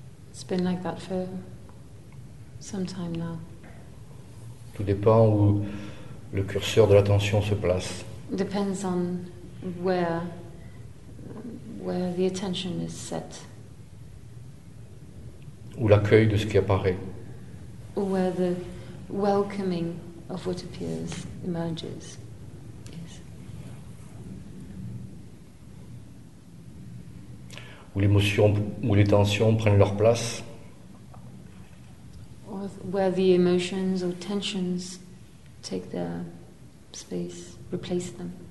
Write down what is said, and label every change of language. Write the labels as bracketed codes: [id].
[en] It's been like that for some time now. [fr] Tout dépend où le curseur de l'attention se place. [en] It depends on where the attention is set. [fr] Ou l'accueil de ce qui apparaît. [en] Or where the welcoming of what appears emerges. [fr] Où l'émotion, où les tensions prennent leur place. [en] Where the emotions or tensions take their space, replace them.